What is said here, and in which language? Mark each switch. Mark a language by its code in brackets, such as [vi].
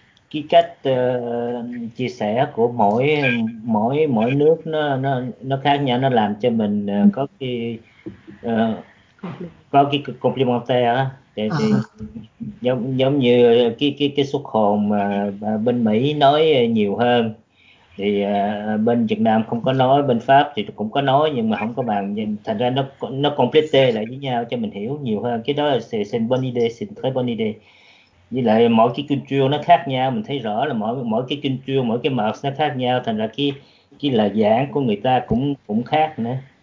[vi] Cái cách chia sẻ của mỗi nước nó khác nhau, nó làm cho mình có cái complementaire á, giống như cái xuất hồn mà bên Mỹ nói nhiều hơn thì bên Việt Nam không có nói, bên Pháp thì cũng có nói nhưng mà không có bằng, thành ra nó complete lại với nhau cho mình hiểu nhiều hơn. Cái đó là [fr] c'est une bonne idée. [vi] Với lại mỗi cái kinh chương nó khác nhau, mình thấy rõ là mỗi cái kinh chương, mỗi cái mật nó khác nhau, thành ra cái lời giảng của người ta cũng khác nữa.